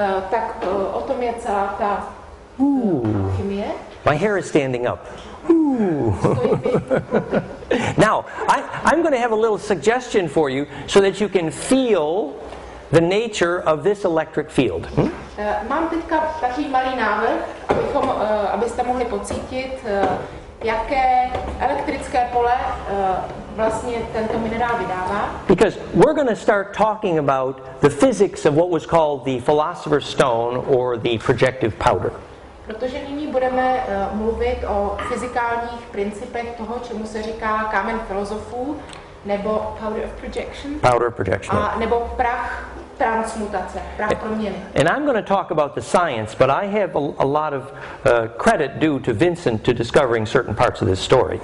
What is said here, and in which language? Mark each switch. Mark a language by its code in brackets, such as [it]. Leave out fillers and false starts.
[cs] Tak o tom je celá ta alchemie. [en] My hair is standing up. Ooh. Now, I'm going to have a little suggestion for you so that you can feel the nature of this electric field. [cs] Mám teďka takový malý návrh, abyste mohli pocítit, jaké elektrické pole vlastně tento minerál vydává. [en] Because we're going to start talking about the physics of what was called the philosopher's stone or the projective powder. [cs] Protože nyní budeme mluvit o fyzikálních principech toho, čemu se říká kámen filozofů, nebo [en] powder of projection. Powder of projection. [cs] A nebo prach transmutace, prach proměny. [en] And I'm going to talk about the science, but I have a lot of credit due to Vincent to discovering certain parts of this story.